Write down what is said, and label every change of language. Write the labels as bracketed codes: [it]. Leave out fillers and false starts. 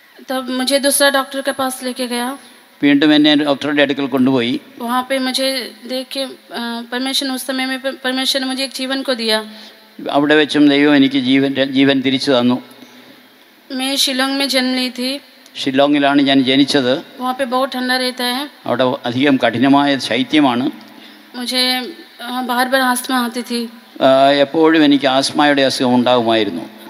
[hi] तब मुझे दूसरा डॉक्टर के पास लेके गया [ml] പീണ്ടും എന്നെ ഡോക്ടറുടെ അടുക്കൽ കൊണ്ടുപോയി [hi] वहां पे मुझे देख के परमेश्वर उस समय में परमेश्वर ने मुझे एक जीवन को दिया [ml] അവിടെ വെച്ചും ദൈവം എനിക്ക് ജീവൻ തിരിച്ചു തന്നു [hi] मैं शिलोंग में जन्म ली थी [ml] शिलोंगിലാണ് ഞാൻ ജനിച്ചത് [hi] वहां पे बहुत ठंडा रहता है [ml] അവിടെ അധികം കഠിനമായ ശൈത്യമാണ് [hi] मुझे बार बार आस्मा आती थी [ml] എപ്പോഴും എനിക്ക് ആസ്മയുടെ അസുഖം ഉണ്ടാകുമായിരുന്നു